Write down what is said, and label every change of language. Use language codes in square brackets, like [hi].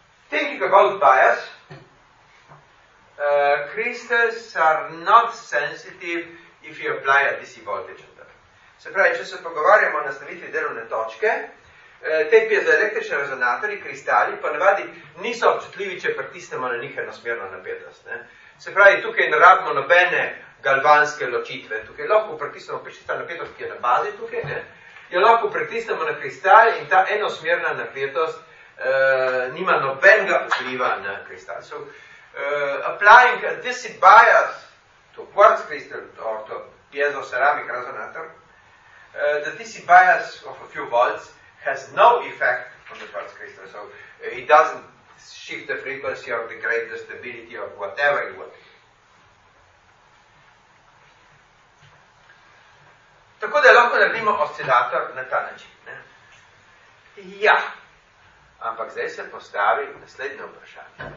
[en] Thinking about bias, crystals are not sensitive if you apply a DC voltage on them. [sl] Se pravi, če se pogovarjamo o nastavitvi delovne točke, te piezoelektrični rezonatorji, kristali, pa navadi niso občutljivi, če pritisnemo na njih enosmerno napetost. Ne? Se pravi, tukaj ne rabimo nobene galvanske ločitve. Tukaj lahko pritisnemo pričista napetost, ki je na bazi tukaj, ne? Jo lahko pritisnemo na kristal in ta enosmerna napetost nima nobenega vpliva na kristal. [en] So, applying implicit bias to quartz crystal or to piezoceramic resonator, the DC bias of a few volts has no effect on the quartz crystal, so it doesn't shift the frequency or degrade the stability of whatever it was. [sl] Tako da lahko naredimo oscilator na ta način. Ne? Ja, ampak zdaj se postavi naslednje vprašanje.